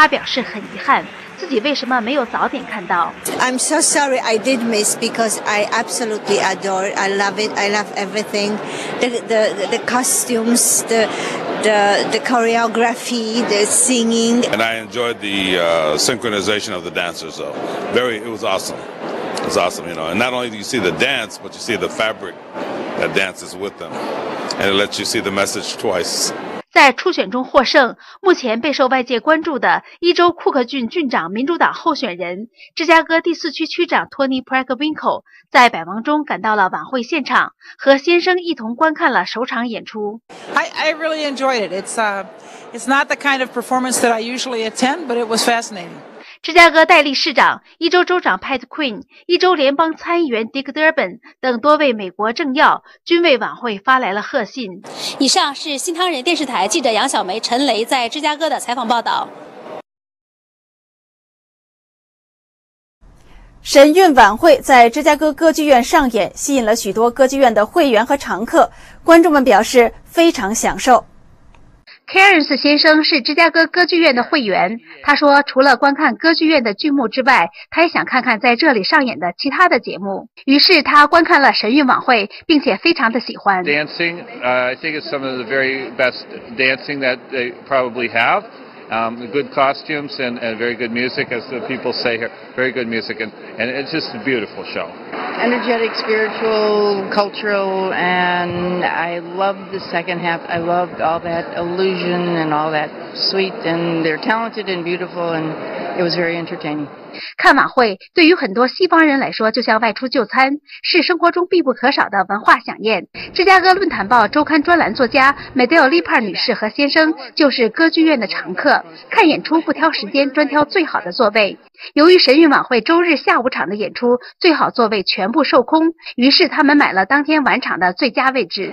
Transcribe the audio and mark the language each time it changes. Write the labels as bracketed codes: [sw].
[zh] 尤扎洛维奇女士是在一个偶然的机会拿到神韵的宣传单张的。当了解到神韵已是第四次来芝的时候，她表示很遗憾，自己为什么没有早点看到。 [en] I'm so sorry I did miss because I absolutely adore. I love it. I love everything. The costumes, the choreography, the singing. And I enjoyed the synchronization of the dancers, though. It was awesome. It was awesome, you know. And not only do you see the dance, but you see the fabric that dances with them. And it lets you see the message twice. [zh] 在初选中获胜，目前备受外界关注的伊州库克郡郡长民主党候选人、芝加哥第四区区长托尼 Pragwinkle，在百忙中赶到了晚会现场，和先生一同观看了首场演出。I [en] really enjoyed it. It's not the kind of performance that I usually attend, but it was fascinating. [zh] 芝加哥代理市长、一州州长 Pat Quinn、一州联邦参议员 Dick Durbin 等多位美国政要均为晚会发来了贺信。以上是新唐人电视台记者杨小梅、陈雷在芝加哥的采访报道。神韵晚会在芝加哥歌剧院上演，吸引了许多歌剧院的会员和常客，观众们表示非常享受。 Karen 先生是芝加哥歌剧院的会员，他说除了观看歌剧院的剧目之外，他也想看看在这里上演的其他的节目，于是他观看了神韵晚会，并且非常的喜欢。 [en] Dancing, I think it's some of the very best dancing that they probably haveGood costumes and very good music, as the people say here. Very good music, and it's just a beautiful show. Energetic, spiritual, cultural, and I love the second half. I loved all that illusion and all that sweet, and they're talented and beautiful, and it was very entertaining. [zh] 看晚会对于很多西方人来说就像外出就餐，是生活中必不可少的文化飨宴。芝加哥论坛报周刊专栏作家 Medell Lippert 女士和先生就是歌剧院的常客，看演出不挑时间，专挑最好的座位。由于神韵晚会周日下午场的演出最好座位全部售空，于是他们买了当天晚场的最佳位置。